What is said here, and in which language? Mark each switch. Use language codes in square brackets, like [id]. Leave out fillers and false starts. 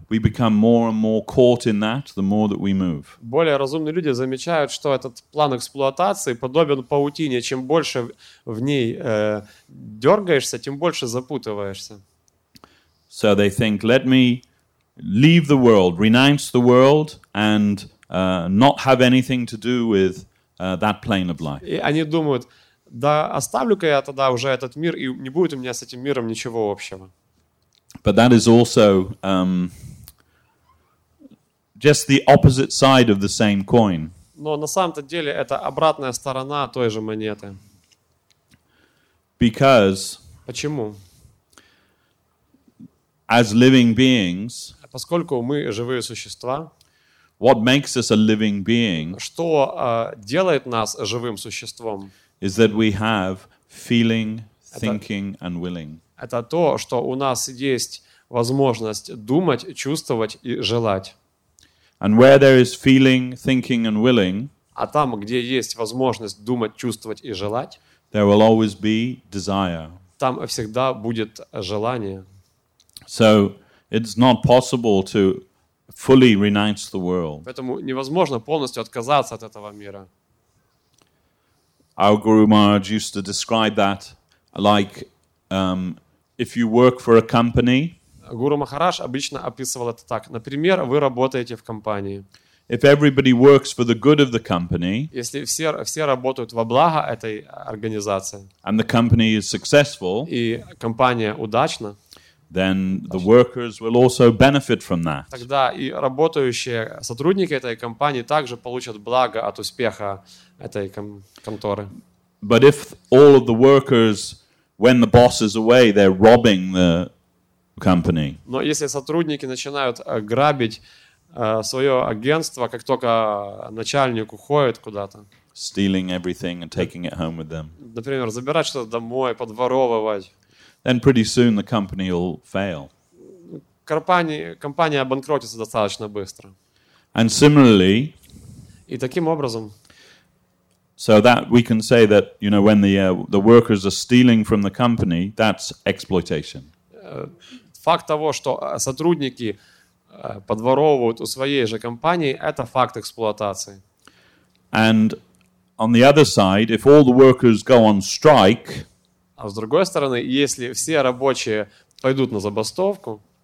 [en] We become more and more caught in that the more that we move. [ru] Более разумные люди замечают, что этот план эксплуатации подобен паутине. Чем больше в ней дергаешься, тем больше запутываешься. [en] So they think, let me leave the world, renounce the world, and not have anything to do with that plane of life. [ru] И они думают, да оставлю-ка я тогда уже этот мир, и не будет у меня с этим миром ничего общего. [en] But that is also just the opposite side of the same coin. [ru] Но на самом-то деле это обратная сторона той же монеты. [en] Because [ru] почему? [en] As living beings, [ru] поскольку мы живые существа, [en] what makes us a living being, [ru] что делает нас живым существом, [en] is that we have feeling, thinking, and willing. [ru] Это то, что у нас есть возможность думать, чувствовать и желать. [en] And where there is feeling, thinking, and willing, [ru] а там, где есть возможность думать, чувствовать и желать, [en] there will always be desire. [ru] Там всегда будет желание. [en] So it's not possible to fully renounce the world. [ru] Поэтому невозможно полностью отказаться от этого мира. [en] Our Guru Maharaj used to describe that like if you work for a company. [ru] Гуру Махарадж обычно описывал это так. Например, вы работаете в компании. [en] If everybody works for the good of the company, [ru] если все работают во благо этой организации, [en] and the company is successful, [ru] и компания удачна, [en] then the workers will also benefit from that. [ru] Тогда и работающие сотрудники этой компании также получат благо от успеха этой конторы. [en] But if all of the workers, when the boss is away, they're robbing the company. [ru] Но если сотрудники начинают грабить свое агентство, как только начальник уходит куда-то. [en] Stealing everything and taking it home with them. [ru] Например, забирать что-то домой, подворовывать. [en] Then pretty soon the company will fail. [ru] Компания обанкротится достаточно быстро. [en] And similarly. [ru] И таким образом. [en] So that we can say that, you know, when the workers are stealing from the company, that's exploitation. [ru] Факт того, что сотрудники подворовывают у своей же компании, это факт эксплуатации. [en] And on the other side, if all the workers go on strike, [ru] а с другой стороны, если все рабочие пойдут на забастовку,